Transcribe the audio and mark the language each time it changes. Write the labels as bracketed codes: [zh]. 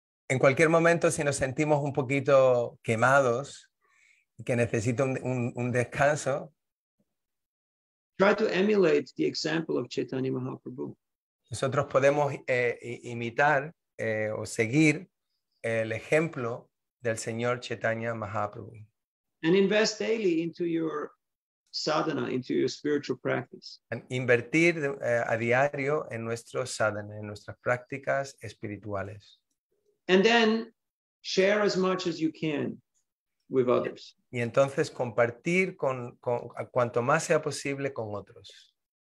[es] En cualquier momento, si nos sentimos un poquito quemados, que necesita un descanso, [en] try to emulate the example of Chaitanya Mahaprabhu. [es] Nosotros podemos imitar o seguir el ejemplo del señor Chaitanya Mahaprabhu. [en] And invest daily into your sadhana, into your spiritual practice. [es] And invertir a diario en nuestro sadhana, en nuestras prácticas espirituales. [en] And then share as much as you can with others. [es] Y entonces compartir con cuanto más sea posible con otros.